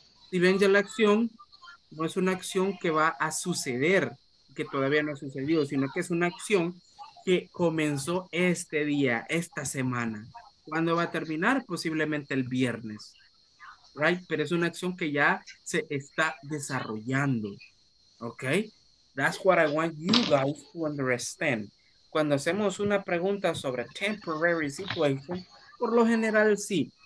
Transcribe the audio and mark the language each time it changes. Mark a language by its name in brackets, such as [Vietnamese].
[Spanish] Si ven ya la acción, no es una acción que va a suceder, que todavía no ha sucedido, sino que es una acción que comenzó este día, esta semana. ¿Cuándo va a terminar? Posiblemente el viernes. [English] Right? [Spanish] Pero es una acción que ya se está desarrollando. [English] Okay, that's what I want you guys to understand. [Spanish] Cuando hacemos una pregunta sobre [English] temporary situation, [Spanish] por lo general sí.